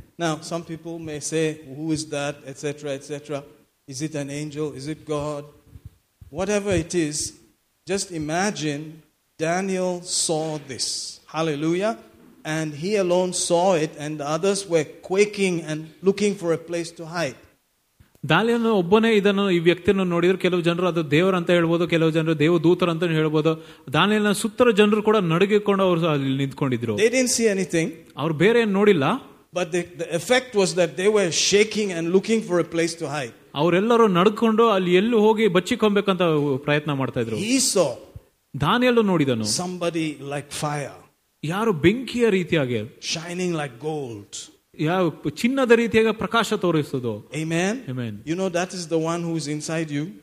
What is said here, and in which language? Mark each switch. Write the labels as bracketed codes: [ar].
[en] Now, some people may say, who is that, etc., etc. Is it an angel? Is it God? Whatever it is, just imagine Daniel saw this. Hallelujah. And he alone saw it, and the others were quaking and looking for a place to hide. [kn] ದಾನಿಯೇಲನು ಒಬ್ಬನೇ ಇದನ್ನು ಈ ವ್ಯಕ್ತಿಯನ್ನು ನೋಡಿದ್ರು, ಕೆಲವು ಜನರು ಅದು ದೇವರಂತ ಹೇಳ್ಬೋದು, ಕೆಲವು ಜನರು ದೇವ ದೂತರ ಅಂತ ಹೇಳ್ಬೋದು. ದಾನಿಯೇಲನ ಸುತ್ತರ ಜನರು ಕೂಡ ನಡುಗಿಕೊಂಡು ಅವರು ಅಲ್ಲಿ ನಿಂತ್ಕೊಂಡಿದ್ರು. [en] They didn't see anything. [kn] ಅವರು ಬೇರೆ ಏನು ನೋಡಿಲ್ಲ. [en] But the effect was that they were shaking and looking for a place to hide. [kn] ಅವರೆಲ್ಲರೂ ನಡ್ಕೊಂಡು ಅಲ್ಲಿ ಎಲ್ಲಿ ಹೋಗಿ ಬಚ್ಚಿಕೊಂಬೇಕಂತ ಪ್ರಯತ್ನ ಮಾಡ್ತಾ ಇದ್ರು. [en] He saw. [kn] ದಾನಿಯೇಲನು ನೋಡಿದನು. [en] Somebody like fire. [kn] ಯಾರು ಬೆಂಕಿಯ ರೀತಿಯಾಗಿ. [en] Shining like gold. [kn] ಯಾವ ಚಿನ್ನದ ರೀತಿಯಾಗಿ ಪ್ರಕಾಶ ತೋರಿಸೋದು. [en] Amen. Amen. You know that is the one who is inside you.